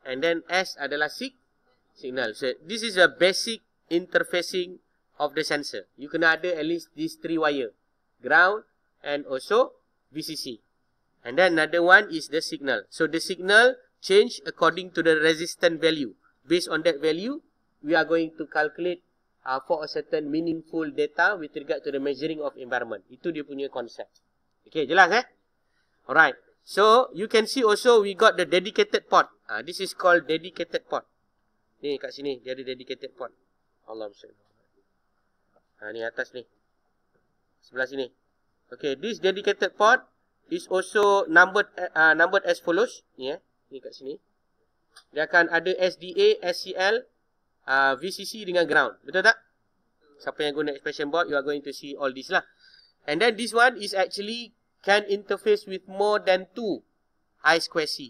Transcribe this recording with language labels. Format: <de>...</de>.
<en>And then</en> <ms>S adalah signal.</ms> <en>So, this is a basic interfacing of the sensor. You</en> <ms>kena ada</ms> <en>at least these three wire. Ground and also VCC. And then another one is the signal. So the signal change according to the resistance value. Based on that value, we are going to calculate for a certain meaningful data with regard to the measuring of environment.</en> <ms>Itu dia punya concept. Okay, jelas eh? Alright.</ms> <en>So you can see also we got the dedicated port. This is called dedicated port.</en> <ms>Ni kat sini, dia ada</ms> <en>dedicated port.</en> <ms>Allah SWT. Ni atas ni. Sebelah sini.</ms> <en>Okay, this dedicated port is also numbered as follows.</en> <ms>Ni eh. Ni kat sini. Dia akan ada SDA, SCL, VCC dengan ground. Betul tak? Siapa yang guna</ms> <en>expansion board, you are going to see all this lah. And then this one is actually can interface with more than 2 I2C.</en>